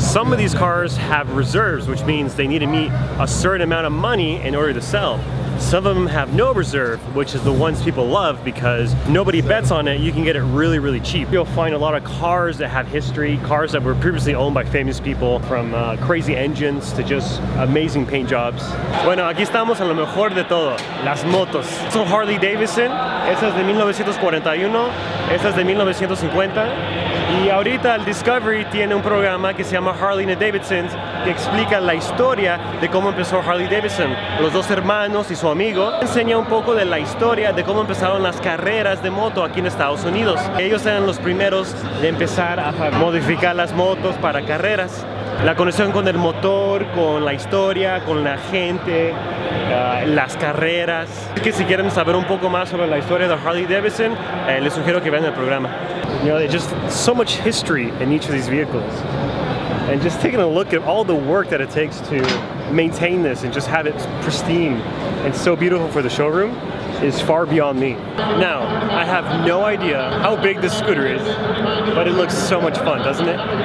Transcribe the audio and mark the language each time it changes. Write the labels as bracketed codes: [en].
[en] Some of these cars have reserves, which means they need to meet a certain amount of money in order to sell. Some of them have no reserve, which is the ones people love because nobody bets on it. You can get it really, really cheap. You'll find a lot of cars that have history, cars that were previously owned by famous people, from crazy engines to just amazing paint jobs. [es] Bueno, aquí estamos en lo mejor de todo, las motos. So Harley Davidson, esa es de 1941, esa es de 1950. Y ahorita el Discovery tiene un programa que se llama Harley and the Davidsons que explica la historia de cómo empezó Harley Davidson, los dos hermanos y su amigo. Enseña un poco de la historia de cómo empezaron las carreras de moto aquí en Estados Unidos. Ellos eran los primeros de empezar a modificar las motos para carreras. La conexión con el motor, con la historia, con la gente, las carreras. Así que si quieren saber un poco más sobre la historia de Harley Davidson, les sugiero que vean el programa. [en] You know, there's just so much history in each of these vehicles. And just taking a look at all the work that it takes to maintain this and just have it pristine and so beautiful for the showroom is far beyond me. Now, I have no idea how big this scooter is, but it looks so much fun, doesn't it?